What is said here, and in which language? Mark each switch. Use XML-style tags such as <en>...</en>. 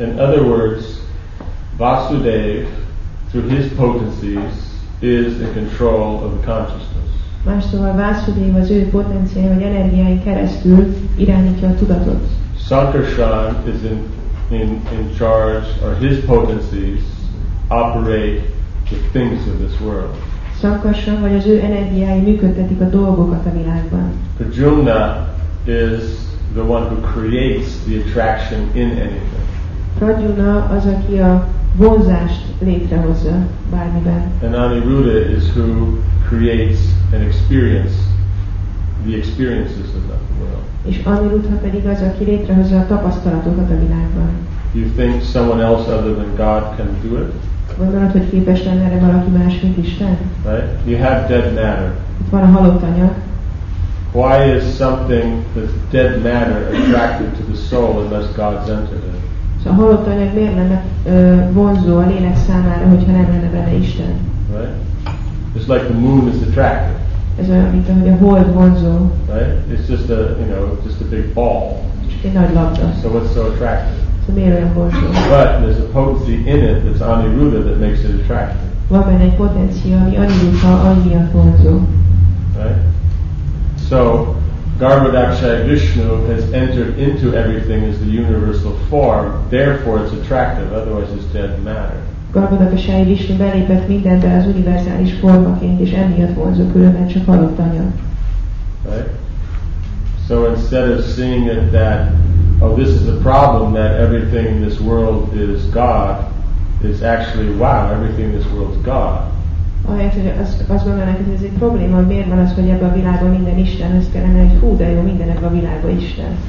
<en>In other words, Vasudev, through his potencies, is in control of the consciousness.</en> <hu>Más szóval Vasudev az ő potenciál, vagy energiáin keresztül irányítja a tudatot.</hu> <en>Sankarsan is in charge, or his potencies operate the things of this world.</en> <hu>Sankarsan, vagy az ő energiái működtetik a dolgokat a világban.</hu> <en>Prajumna is the one who creates the attraction in anything.</en> <hu>Prajumna az, aki a vonzást létrehozza bármiben.</hu> <en>And Anirudha is who creates an experience, the experiences of the world.</en> <hu>És Anirudha pedig az, aki létrehozza a tapasztalatokat a világban.</hu> <en>You think someone else other than God can do it?</en> <hu>Gondolod, hogy képes lenne erre valaki más, mint Isten?</hu> <en>Right? You have dead matter.</en> <hu>Itt van a halott anyag.</hu> <en>Why is something that's dead matter attracted to the soul unless God's entered it?</en> <hu>Szóval a halott anyag miért lenne vonzó a lélek számára, hogyha nem lenne benne Isten?</hu> <en>Right? It's like the moon is attractive.</en> <hu>Ez olyan, mint ahogy a hold vonzó.</hu> <en>Right? It's just a, you know, just a big ball.</en> <hu>Csak egy nagy labda.</hu> <en>So what's so attractive?</en> <hu>Szóval miért olyan vonzó?</hu> <en>But there's a potency in it that's anirudha that makes it attractive.</en> <hu>Van benne egy potencia, ami anirudha, ami a vonzó.</hu> <en>Right? So, Garbhodakshaya Vishnu has entered into everything as the universal form, therefore it's attractive, otherwise it's dead matter.</en> <hu>Garbhodakshaya Vishnu belépett mindenbe az univerzális formaként, és emiatt vonzó, különben csak halott anyag.</hu> <en>Right? So instead of seeing it that, oh, this is a problem that everything in this world is God, it's actually, wow, everything in this world is God.</en> <hu>Ahelyett, hogy azt gondolnak, hogy ez egy probléma, hogy miért van az, hogy ebben a világban minden Isten, ez kellene, hogy hú, de jó, minden ebben a világban Isten.</hu>